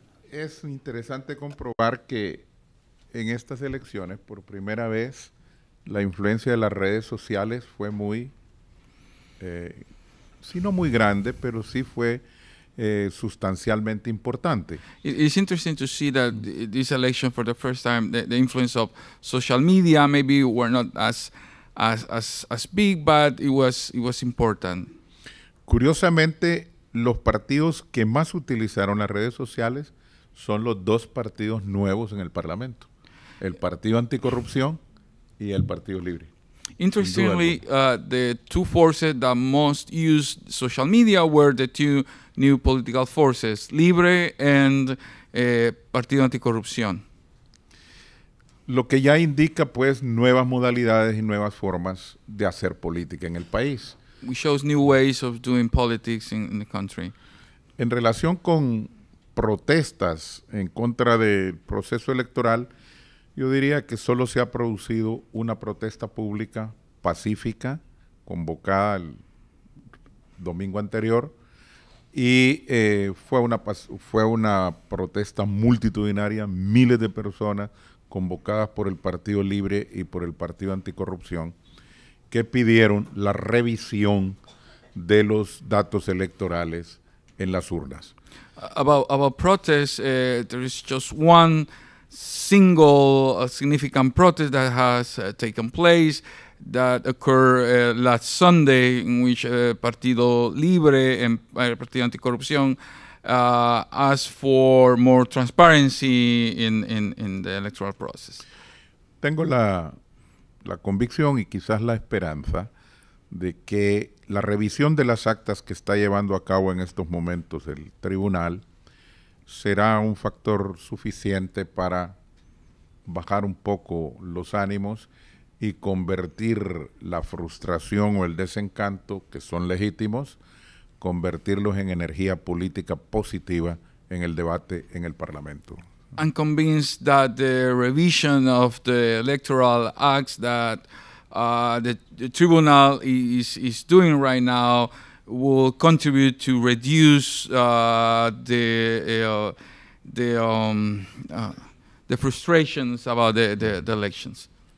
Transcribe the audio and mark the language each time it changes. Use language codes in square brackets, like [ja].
[es] Es interesante comprobar que en estas elecciones, por primera vez, la influencia de las redes sociales fue muy, si no muy grande, pero sí fue sustancialmente importante. [en] It's interesting to see that this election, for the first time, the influence of social media maybe were not as big, but it was important. [es] Curiosamente, los partidos que más utilizaron las redes sociales son los dos partidos nuevos en el Parlamento, el Partido Anticorrupción y el Partido Libre. [en] Interestingly, the two forces that most used social media were the two new political forces, Libre and Partido Anticorrupción. [es] Lo que ya indica, pues, nuevas modalidades y nuevas formas de hacer política en el país. [en] It shows new ways of doing politics in the country. [es] En relación con protestas en contra del proceso electoral, yo diría que solo se ha producido una protesta pública pacífica convocada el domingo anterior y fue una protesta multitudinaria, miles de personas convocadas por el Partido Libre y por el Partido Anticorrupción que pidieron la revisión de los datos electorales en las urnas. [en] About protests, there is just one single significant protest that has taken place that occurred last Sunday, in which Partido Libre and Partido Anticorrupción asked for more transparency in the electoral process. [es] Tengo la convicción y quizás la esperanza de que la revisión de las actas que está llevando a cabo en estos momentos el tribunal será un factor suficiente para bajar un poco los ánimos y convertir la frustración o el desencanto, que son legítimos, convertirlos en energía política positiva en el debate en el Parlamento. [en] I'm convinced that the revision of the electoral acts that the tribunal is doing right now will contribute to reduce the frustrations about the elections.